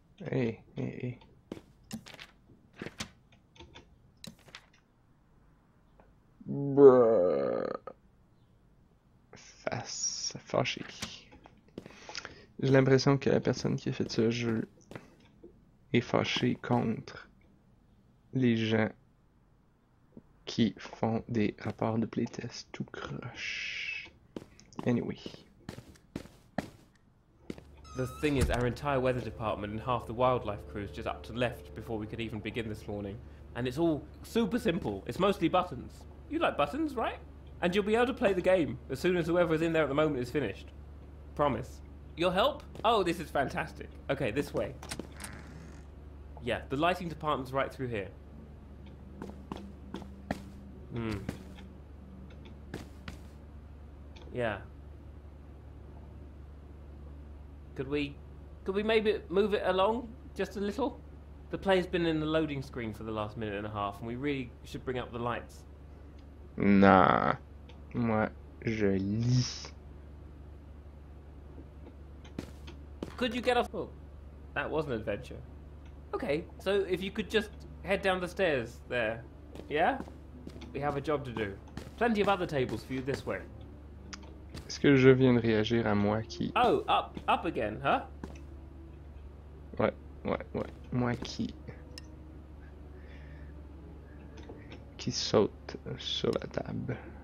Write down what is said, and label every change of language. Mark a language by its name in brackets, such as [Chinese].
[French] Hey. Face, fâché. J'ai l'impression que la personne qui a fait ce jeu est fâchée contre les gens qui font des rapports de playtest tout croche. [English] Anyway. The thing is, our entire weather department and half the wildlife crew is just up to left before we could even begin this morning. And it's all super simple. It's mostly buttons. You like buttons, right? And you'll be able to play the game as soon as whoever is in there at the moment is finished. Promise. Your help? Oh, this is fantastic. Okay, this way. Yeah, the lighting department's right through here. Yeah. Could we maybe move it along just a little? The play's been in the loading screen for the last minute and a half, and we really should bring up the lights. [French] Nah, moi je lis. [English] Could you get off? Oh, that was an adventure. Okay, so if you could just head down the stairs there, yeah? We have a job to do. Plenty of other tables for you this way. [French] Est-ce que je viens de réagir à moi qui... [English] Oh, up again, huh? [French] Ouais. Moi qui... Qui saute sur la table.